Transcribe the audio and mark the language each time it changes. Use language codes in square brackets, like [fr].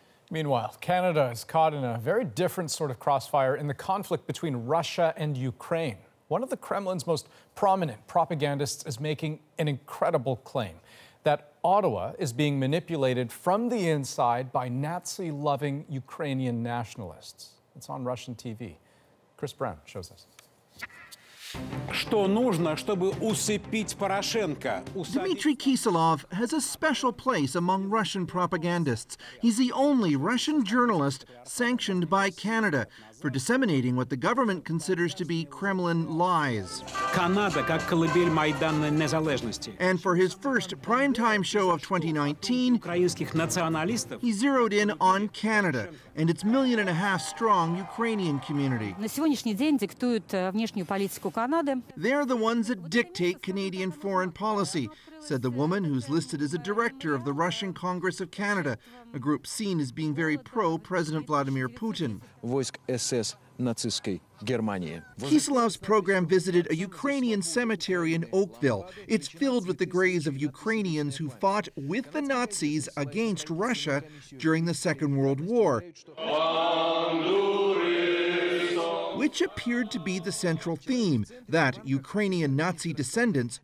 [en] Meanwhile, Canada is caught in a very different sort of crossfire in the conflict between Russia and Ukraine. One of the Kremlin's most prominent propagandists is making an incredible claim that Ottawa is being manipulated from the inside by Nazi-loving Ukrainian nationalists. It's on Russian TV. Chris Brown shows us. [ru] Что нужно, чтобы усыпить Порошенко? [en] Дмитрий Кисилов has a special place among Russian propagandists. He's the only Russian journalist sanctioned by Canada for disseminating what the government considers to be Kremlin lies. [ru] Канада как колыбель майданной незалежности. [en] And for his first primetime show of 2019, [ru] украинских националистов, [en] he zeroed in on Canada and its 1.5 million strong Ukrainian community. [ru] На сегодняшний день диктуют внешнюю политику Канады. [en] They're the ones that dictate Canadian foreign policy, said the woman who's listed as a director of the Russian Congress of Canada, a group seen as being very pro-President Vladimir Putin. [ru] Войск СС нацистской Германии. [en] Кисилов's program visited a Ukrainian cemetery in Oakville. It's filled with the graves of Ukrainians who fought with the Nazis against Russia during the Second World War, which appeared to be the central theme, that Ukrainian Nazi descendants